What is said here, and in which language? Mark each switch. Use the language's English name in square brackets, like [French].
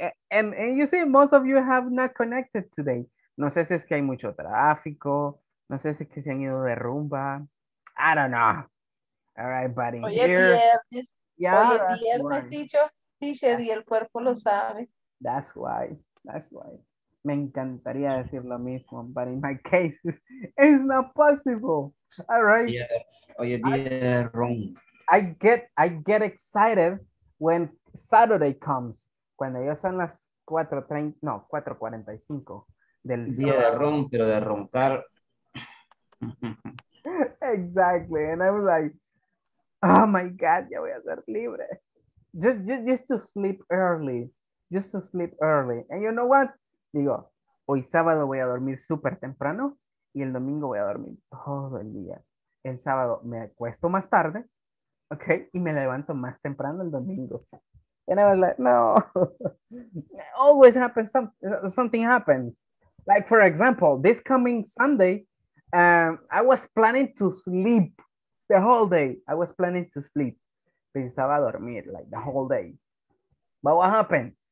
[English] And you see, most of you have not connected today. [Spanish] No sé si es que hay mucho tráfico. No sé si es que se han ido de rumba. [English] I don't know. All right, buddy. [Spanish] Hoy es viernes. Yeah, hoy es viernes, teacher, y el cuerpo lo sabe. [English] That's why. [Spanish] Me encantaría decir lo mismo, [English] but in my case, it's not possible. All right. I get excited when Saturday comes. [Spanish] Cuando ya son las 4:30, no, 4:45 del día sábado. De ron, pero de roncar. [English] Exactly, and I was like, oh my God, [Spanish] ya voy a ser libre. [English] Just to sleep early, just to sleep early. And you know what? [Spanish] Digo, hoy sábado voy a dormir súper temprano y el domingo voy a dormir todo el día. El sábado me acuesto más tarde, okay, y me levanto más temprano el domingo. [English] And I was like, no, always happens, something happens. Like, for example, this coming Sunday, I was planning to sleep the whole day. I was planning to sleep. [Spanish] Pensaba dormir, [English] like, the whole day. But what happened?